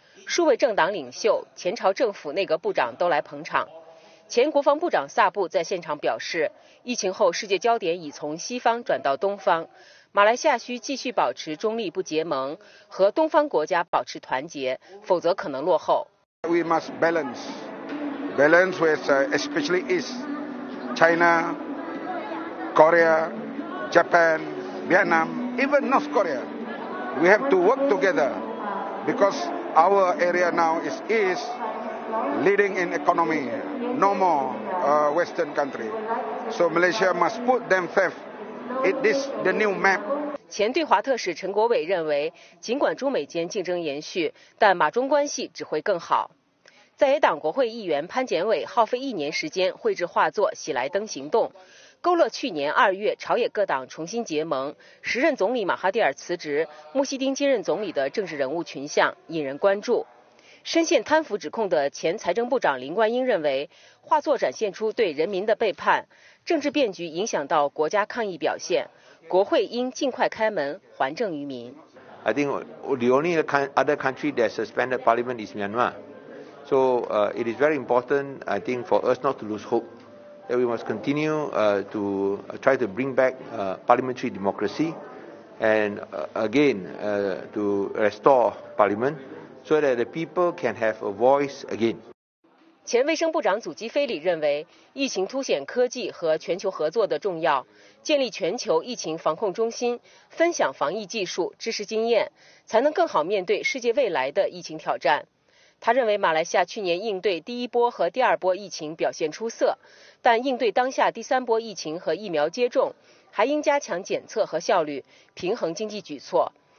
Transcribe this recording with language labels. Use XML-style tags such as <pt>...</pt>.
<zh>数位政党领袖、前朝政府内阁部长都来捧场。前国防部长萨布在现场表示，疫情后世界焦点已从西方转到东方，马来西亚需继续保持中立不结盟，和东方国家保持团结，否则可能落后。</zh> <en>We must balance with especially East, China, Korea, Japan, Vietnam. Even North Korea, we have to work together because our area now is leading in economy, no more Western country. So Malaysia must put themselves in this the new map.</en> <zh>前对华特使陈国伟认为，尽管中美间竞争延续，但马中关系只会更好。在野党国会议员潘简伟耗费一年时间绘制画作《喜来登行动》。勾勒去年2月朝野各党重新结盟、时任总理马哈蒂尔辞职、穆希丁接任总理的政治人物群像，引人关注。深陷贪腐指控的前财政部长林冠英认为，画作展现出对人民的背叛，政治变局影响到国家抗疫表现，国会应尽快开门还政于民。</zh> <en>I think the only other country that suspended parliament is Myanmar. So it is very important, I think, for us not to lose hope. That we must continue to try to bring back parliamentary democracy and again to restore parliament so that the people can have a voice again.</en> <zh>前卫生部长祖基菲里认为，疫情凸显科技和全球合作的重要，建立全球疫情防控中心，分享防疫技术、知识经验，才能更好面对世界未来的疫情挑战。他认为马来西亚去年应对第一波和第二波疫情表现出色，但应对当下第三波疫情和疫苗接种，还应加强检测和效率，平衡经济举措。</zh>